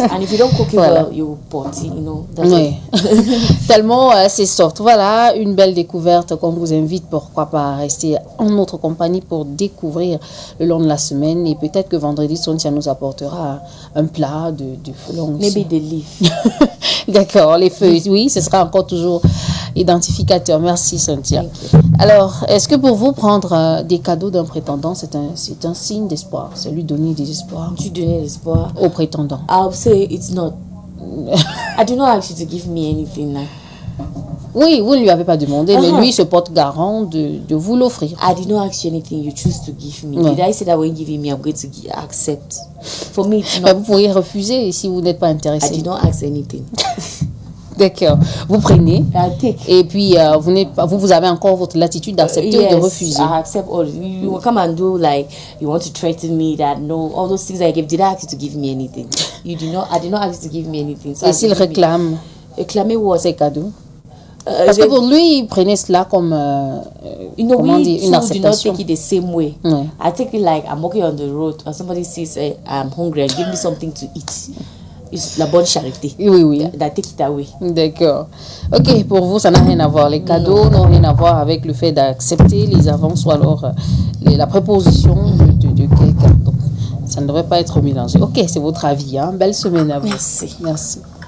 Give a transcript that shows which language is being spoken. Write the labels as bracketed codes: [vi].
[en] And if you don't cook it well, you put it, you know. [fr] Oui. Tellement c'est soft. Voilà, une belle découverte qu'on vous invite, pourquoi pas, à rester en notre compagnie pour découvrir le long de la semaine. Et peut-être que vendredi, Sonia nous apportera un plat de foulon. [en] Maybe des leaves. [fr] D'accord, les feuilles. Oui, ce sera encore toujours identificateur. Merci, Cynthia. Alors, est-ce que pour vous, prendre des cadeaux d'un prétendant, c'est un signe d'espoir? C'est lui donner des espoirs. Tu donnes l'espoir au prétendant. [en] I would say it's not. I do not ask you to give me anything. [fr] Oui, vous ne lui avez pas demandé, mais lui se porte garant de vous l'offrir. [en] I did not ask you anything. You choose to give me. Did I say that when giving me, I'm going to accept? For me, it's not. [fr] Mais vous pourriez refuser si vous n'êtes pas intéressé. [en] I did not ask anything. [fr] D'accord. Vous prenez. [en] Take. [fr] Et puis, vous, n'êtes pas, vous avez encore votre latitude d'accepter ou de refuser. [en] I accept all. You come and do like, you want to threaten me that no, all those things I gave, did I ask you to give me anything? You did not, I did not ask you to give me anything. [fr] So et s'il réclame? Réclamer what? Ses cadeaux. Parce que pour lui, il prenait cela comme une acceptation. [en] Do not take it the same way. [fr] Oui. [en] I take it like I'm walking on the road and somebody says hey, I'm hungry and give me something to eat. [fr] C'est la bonne charité. Oui, oui. D'attiquer. D'accord. Ok, pour vous, ça n'a rien à voir. Les cadeaux n'ont rien à voir avec le fait d'accepter les avances ou alors la préposition de quelqu'un. Donc, ça ne devrait pas être mélangé. Ok, c'est votre avis. Hein. Belle semaine à vous. Merci. Merci.